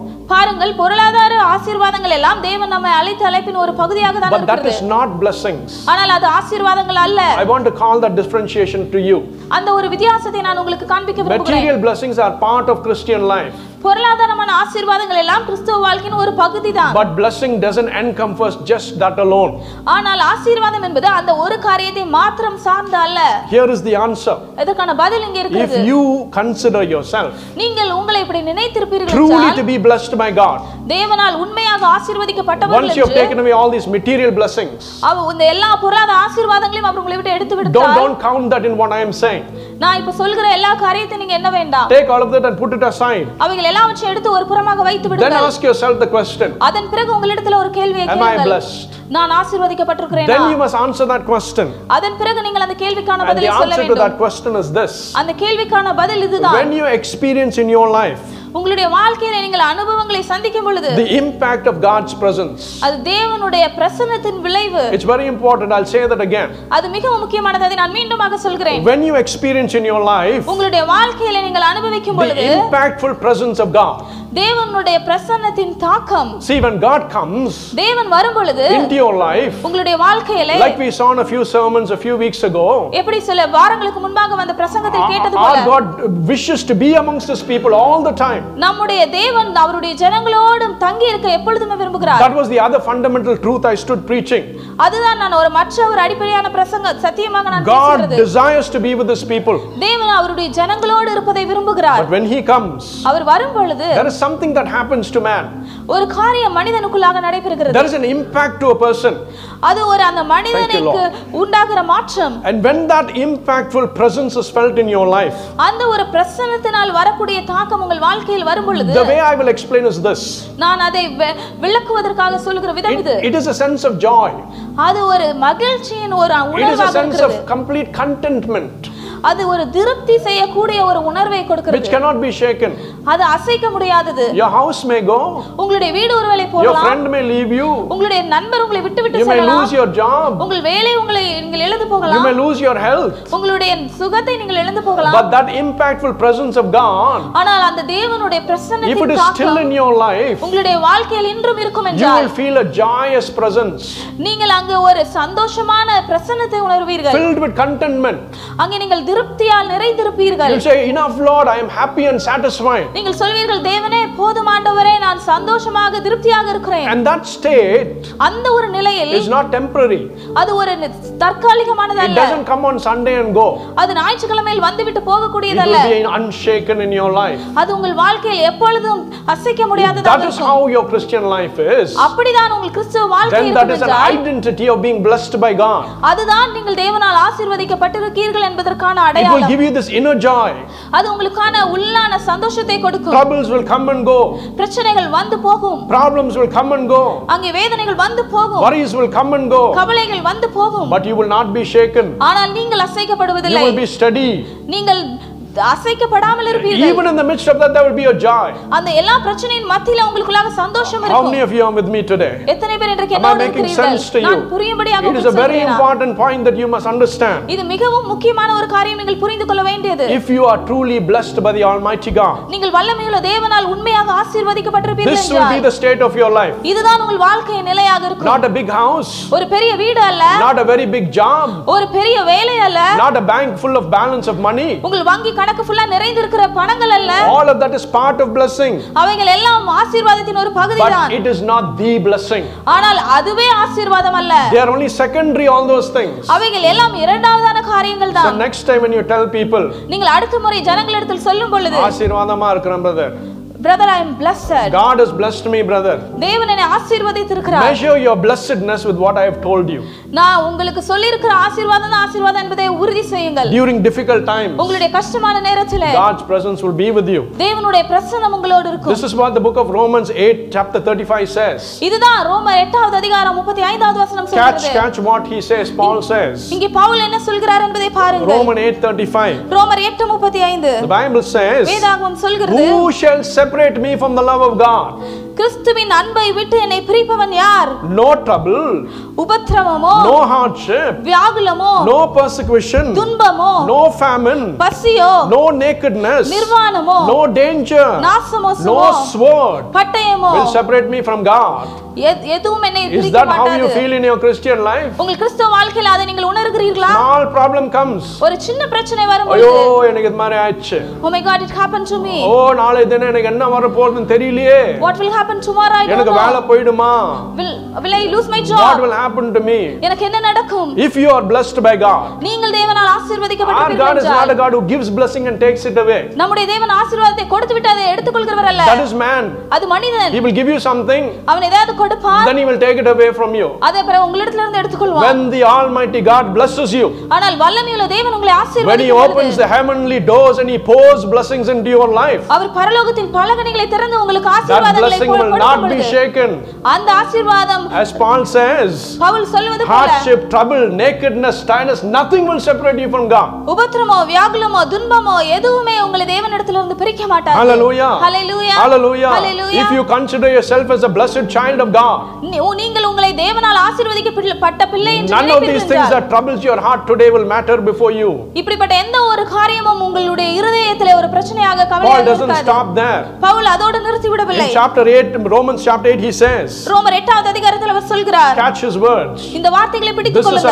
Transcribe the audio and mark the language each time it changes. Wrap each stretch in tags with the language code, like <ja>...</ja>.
<ta>பாருங்கள் பொருளாதார ஆசீர்வாதங்கள் எல்லாம் தேவன் நம்மை அழைத்த அழைப்பின் ஒரு பகுதியாக தான் இருக்குது.</ta> <en>But that is not blessings.</en> <ta>ஆனால் அது ஆசீர்வாதங்கள் அல்ல.</ta> <en>I want to call that differentiation to you.</en> <ta>அந்த ஒரு வித்தியாசத்தை நான் உங்களுக்கு காண்பிக்க விரும்புகிறேன்.</ta> <en>Material blessings are part of Christian life.</en> <ta>பொருளாதாரமான ஆசீர்வாதங்கள் எல்லாம் கிறிஸ்துவ வாழ்க்கையின் ஒரு பகுதிதான்.</ta> <en>But blessing doesn't encompass just that alone.</en> <ta>ஆனால் ஆசீர்வாதம் என்பது அந்த ஒரு காரியத்தை மட்டும் சார்ந்து அல்ல.</ta> <en>Here is the answer.</en> <ta>இதற்கான பதில் இங்கே இருக்குது.</ta> <en>If you consider yourself</en> <ta>நீங்கள் உங்களை இப்படி நினைத்திருப்பீர்கள் என்றால்</ta> <en>truly to be blessed by God.</en> <ta>தேவனால் உண்மையாக ஆசீர்வதிக்கப்பட்டவர் என்று</ta> <en>Once you have taken away all these material blessings.</en> <ta>அவ இந்த எல்லா பொருளாதார ஆசீர்வாதங்களையும் அவர் உங்களை விட்டு எடுத்து விடுவார்.</ta> <en>Don't count that in what I am saying.</en> <ta>நான் இப்ப சொல்ற எல்லா காரியத்தையும் நீங்க என்ன வேண்டாம்.</ta> <en>Take all of that and put it aside.</en> <ta>அவங்களை எல்லாவற்றையும் எடுத்து ஒரு புறமாக வைத்து விடுங்கள்.</ta> <en>Then ask yourself the question.</en> <ta>அதன் பிறகு உங்களிடத்தில் ஒரு கேள்வியை கேளுங்கள்.</ta> <en>Am I blessed?</en> <ta>நான் ஆசீர்வதிக்கப்பட்டிருக்கிறேனா?</ta> <en>Then you must answer that question.</en> <ta>அதன் பிறகு நீங்கள் அந்த கேள்விக்கான பதிலை சொல்ல வேண்டும்.</ta> <en>And the answer to that question is this.</en> <ta>அந்த கேள்விக்கான பதில் இதுதான்.</ta> <en>When you experience in your life</en> <ta>உங்களுடைய வாழ்க்கையில நீங்கள் அனுபவங்களை சந்திக்கும் பொழுது</ta> <en>the impact of God's presence</en> <ta>அது தேவனுடைய பிரசன்னத்தின் விளைவு</ta> <en>it's very important I'll say that again</en> <ta>அது மிகவும் முக்கியமானது நான் மீண்டுமாக சொல்கிறேன்</ta> <en>when you experience in your life</en> <ta>உங்களுடைய வாழ்க்கையில நீங்கள் அனுபவிக்கும் பொழுது</ta> <en>the impactful presence of God</en> <ta>தேவனுடைய பிரசன்னத்தின் தாக்கம்</ta> <en>see when God comes</en> <ta>தேவன் வரும் பொழுது</ta> <en>into your life</en> <ta>உங்களுடைய வாழ்க்கையில</ta> <en>like we saw in a few sermons a few weeks ago</en> <ta>எப்படி சில வாரங்களுக்கு முன்பாக வந்த பிரசங்கத்தில் கேட்டது போல</ta> <en>God wishes to be amongst his people all the time</en> <ta>நம்முடைய தேவன் அவருடைய ஜனங்களோடு தங்கி இருக்க எப்பொழுதுமே விரும்புகிறார்</ta> <en>That was the other fundamental truth I stood preaching</en> <ta>அதுதான் நான் ஒரு மற்றவர் அடிப்படையான பிரசங்க சத்தியமாக நான்</ta> <en>God desires to be with his people</en> <ta>தேவன் அவருடைய ஜனங்களோடு இருப்பதை விரும்புகிறார்</ta> <en>But when he comes</en> <ta>அவர் வரும் பொழுது</ta> <en>there is something that happens to man</en> <ta>ஒரு காரியம் மனிதனுக்குள்ளாக நடைபெறுகிறது</ta> <en>There is an impact to a person</en> <ta>அது ஒரு அந்த மனிதனுக்கு உண்டாகிற மாற்றம்</ta> <en>And when that impactful presence is felt in your life</en> <ta>அந்த ஒரு பிரசன்னத்தினால் வரக்கூடிய தாக்கம் உங்கள் வாழ்க்கை</ta> <en>The way I will explain is this.</en> <ta>நான் அதை விளக்குவதற்காக சொல்கிற விதம் இது.</ta> <en>It is a sense of joy.</en> <ta>அது ஒரு மகிழ்ச்சியின் ஒரு உணர்வாக இருக்கிறது.</ta> <en>It is a sense of complete contentment.</en> <ta>அது ஒரு திருப்தி செய்ய கூடிய ஒரு உணர்வை கொடுக்கிறது.</ta> <en>Which cannot be shaken.</en> <ta>அது அசைக்க முடியாதது.</ta> <en>Your house may go.</en> <ta>உங்களுடைய வீடு ஒருவேளை போகலாம்.</ta> <en>Your friend may leave you.</en> <ta>உங்களுடைய நண்பர் உங்களை விட்டு விட்டு செல்லலாம்.</ta> <en>You may lose your job.</en> <ta>உங்கள் வேலை உங்களை நீங்கள் இழந்து போகலாம்.</ta> <en>You may lose your health.</en> <ta>உங்களுடைய சுகத்தை நீங்கள் இழந்து போகலாம்.</ta> <en>But that impactful presence of God.</en> <ta>ஆனால் அந்த தேவனுடைய பிரசன்னத்தின் தாக்கம்</ta> <en>If it is still in your life.</en> <ta>உங்களுடைய வாழ்க்கையில் இன்றும் இருக்கும் என்றால்</ta> <en>You will feel a joyous presence.</en> <ta>நீங்கள் அங்கே ஒரு சந்தோஷமான பிரசன்னத்தை உணர்வீர்கள்.</ta> <en>Filled with contentment.</en> <ta>அங்கே நீங்கள் திருப்தியால் நிறைந்திருப்பீர்கள்.</ta> <en>You say enough Lord I am happy and satisfied.</en> <ta>நீங்கள் சொல்வீர்கள் தேவனே போதும் ஆண்டவரே நான் சந்தோஷமாக திருப்தியாக இருக்கிறேன்.</ta> <en>And that state</en> <ta>அந்த ஒரு நிலையில்</ta> <en>is not temporary.</en> <ta>அது ஒரு தற்காலிகமானது அல்ல.</ta> <en>It doesn't come on Sunday and go.</en> <ta>அது ஞாயிற்றுக்கிழமையில் வந்துவிட்டு போக கூடியதல்ல.</ta> <en>It will be unshaken in your life.</en> <ta>அது உங்கள் வாழ்க்கையில் எப்பொழுதும் அசைக்க முடியாததாக இருக்கும்.</ta> <en>That is how your Christian life is.</en> <ta>அப்படிதான் உங்கள் கிறிஸ்துவ வாழ்க்கை இருக்கும்.</ta> <en>Then that is an identity of being blessed by God.</en> <ta>அதுதான் நீங்கள் தேவனால் ஆசீர்வதிக்கப்பட்டிருக்கிறீர்கள் என்பதை</ta> <en>It will give you this inner joy.</en> <ta>அது உங்களுக்கான உள்ளான சந்தோஷத்தை கொடுக்கும்.</ta> <en>Troubles will come and go.</en> <ta>பிரச்சனைகள் வந்து போகும்</ta> <en>problems will come and go</en> <ta>அங்கே வேதனைகள் வந்து போகும்</ta> <en>worries will come and go</en> <ta>கவலைகள் வந்து போகும்</ta> <en>but you will not be shaken</en> <ta>ஆனால் நீங்கள் அசைக்கப்படுவதில்லை</ta> <en>you will be steady</en> <ta>நீங்கள் அசைக்கப்படாமல் இருப்பீர்கள்</ta> <en>even in the midst of that there will be a joy</en> <ta>அந்த எல்லா பிரச்சனையின் மத்தியில உங்களுக்குள்ள சந்தோஷம் இருக்கும்</ta> <en>how many of you are with me today</en> <ta>எத்தனை பேர் இன்றைக்கு என்னோடு இருக்கிறீர்கள்</ta> <en>am I making sense to you</en> <ta>புரியும்படியாக</ta> <en>it is a very important point that you must understand</en> <ta>இது மிகவும் முக்கியமான ஒரு காரியம் நீங்கள் புரிந்துகொள்ள வேண்டியது</ta> <en>if you are truly blessed by the almighty god</en> <ta>நீங்கள் வல்லமையுள்ள தேவனால் உண்மையாக ஆசீர்வதிக்கப்பட்டிருப்பீர்கள்</ta> <en>this will be the state of your life</en> <ta>இதுதான் உங்கள் வாழ்க்கையின் நிலையாக இருக்கும்</ta> <en>not a big house</en> <ta>ஒரு பெரிய வீடு அல்ல</ta> <en>not a very big job</en> <ta>ஒரு பெரிய வேலை அல்ல</ta> <en>not a bank full of balance of money</en> <ta>உங்கள் வங்கி கணக்கு ஃபுல்லா நிறைந்து இருக்கிற பணங்கள் அல்ல</ta> <en>all of that is part of blessing</en> <ta>அவங்கள் எல்லாம் ஆசீர்வாதத்தின் ஒரு பகுதிதான்</ta> <en>but it is not the blessing</en> <ta>ஆனால் அதுவே ஆசீர்வாதம் அல்ல</ta> <en>they are only secondary all those things</en> <ta>அவங்கள் எல்லாம் இரண்டாவதான காரியங்கள் தான்</ta> <en>so next time when you tell people</en> <ta>நீங்கள் அடுத்த முறை ஜனங்கள் இடத்தில் சொல்லும் பொழுது ஆசீர்வாதமா இருக்கிறேன் brother</ta> <en>Brother, I am blessed. God has blessed me, brother.</en> <ta>தேவன் என்னை ஆசீர்வதித்திருக்கிறார்.</ta> <en>Measure your blessedness with what I have told you.</en> <ta>நான் உங்களுக்கு சொல்லியிருக்கிற ஆசீர்வாதம்தான் ஆசீர்வாதம் என்பதை உறுதி செய்யுங்கள்.</ta> <en>During difficult times.</en> <ta>உங்களுடைய கஷ்டமான நேரத்தில்.</ta> <en>God's presence will be with you.</en> <ta>தேவனுடைய பிரசன்னம் உங்களோடு இருக்கும்.</ta> <en>This is what the book of Romans 8 chapter 35 says.</en> <ta>இதுதான் ரோமர் 8வது அதிகாரம் 35வது வசனம் சொல்கிறது.</ta> <en>Catch what he says, Paul says.</en> <ta>இங்கே பவுல் என்ன சொல்கிறார் என்பதை பாருங்கள்.</ta> <en>Romans 8:35.</en> <ta>ரோமர் 8:35.</ta> <en>The Bible says.</en> <ta>வேதாகமம் சொல்கிறது.</ta> <en>Who shall separate me from the love of God</en> <ta>கிறிஸ்துவின் அன்பை விட்டு என்னை பிரிப்பவன் யார்</ta> <en>no trouble</en> <ta>உபத்திரவமோ</ta> <en>no hardship</en> <ta>வியாகுலமோ</ta> <en>no persecution</en> <ta>துன்பமோ</ta> <en>no famine</en> <ta>பசியோ</ta> <en>no nakedness</en> <ta>நிர்வாணமோ</ta> <en>no danger</en> <ta>நாசமோ</ta> <en>no sword</en> <ta>பட்டயமோ</ta> <en>will separate me from God Is that how you feel in your Christian life?</en> <ta>உங்கள் கிறிஸ்தவ வாழ்க்கையில அதை நீங்கள் உணர்கிறீர்களா?</ta> <en>Small problem comes.</en> <ta>ஒரு சின்ன பிரச்சனை வரும் பொழுது ஐயோ எனக்கு இது மாதிரி ஆயிச்சு.</ta> <en>Oh my god it happened to me.</en> <ta>ஓ நாளை தினம் எனக்கு என்ன வர போறதுன்னு தெரியலையே.</ta> <en>What will happen tomorrow?</en> <ta>எனக்கு வேலை போய்டுமா?</ta> <en>Will I lose my job? What will happen to me?</en> <ta>எனக்கு என்ன நடக்கும்?</ta> <en>If you are blessed by God.</en> <ta>நீங்கள் தேவனால் ஆசீர்வதிக்கப்பட்டிருக்கிறீர்கள்.</ta> <en>Our God is not a god who gives blessing and takes it away.</en> <ta>நம்முடைய தேவன் ஆசீர்வாதத்தை கொடுத்து விட்டு அதை எடுத்துக்கொள்கிறவர் அல்ல.</ta> <en>That is man.</en> <ta>அது மனிதன்.</ta> <en>He will give you something.</en> <ta>அவன் ஏதாவது</ta> <en>Then he will take it away from you.</en> <ta>அதே பிறகு உங்களிடத்துல இருந்து எடுத்துக்கொள்வார்.</ta> <en>When the almighty God blesses you.</en> <ta>ஆனால் வல்லமையுள்ள தேவன் உங்களை ஆசீர்வதிக்கிறார்.</ta> <en>When he opens the heavenly doors and he pours blessings into your life.</en> <ta>அவர் பரலோகத்தின் பலகணிகளை திறந்து உங்களுக்கு ஆசீர்வாதங்களை கொடுக்கும்போது.</ta> <en>That blessing will not be shaken.</en> <ta>அந்த ஆசீர்வாதம்</ta> <en>As Paul says.</en> <ta>பவுல் சொல்வது போல</ta> <en>hardship, trouble, nakedness, tiredness nothing will separate you from God.</en> <ta>உபத்திரமோ, வியாகுலமோ, துன்பமோ எதுவுமே உங்களை தேவனிடத்துல இருந்து பிரிக்க மாட்டாது. Hallelujah. Hallelujah. Hallelujah. Hallelujah.</ta> <en>If you consider yourself as a blessed child of God.</en> <ta>நீங்கள் உங்களை தேவனால் ஆசீர்வதிக்கப்பட்ட பிள்ளை என்று நினைப்பீர்கள்.</ta> <en>None of these things that troubles your heart today will matter before you.</en> <ta>இப்படிப்பட்ட எந்த ஒரு காரியமும் உங்களுடைய இதயத்தில் ஒரு பிரச்சனையாக கவலையாக இருக்காது.</ta> <en>Paul doesn't stop there.</en> <ta>Pavul அதோடு நிறுத்தி விடவில்லை.</ta> <en>In chapter 8 Romans chapter 8 he says.</en> <ta>ரோமர் 8வது அதிகாரத்தில் அவர் சொல்கிறார்.</ta> <en>Catch his words.</en> <ta>இந்த வார்த்தைகளை பிடித்துக் கொள்ளுங்கள்.</ta>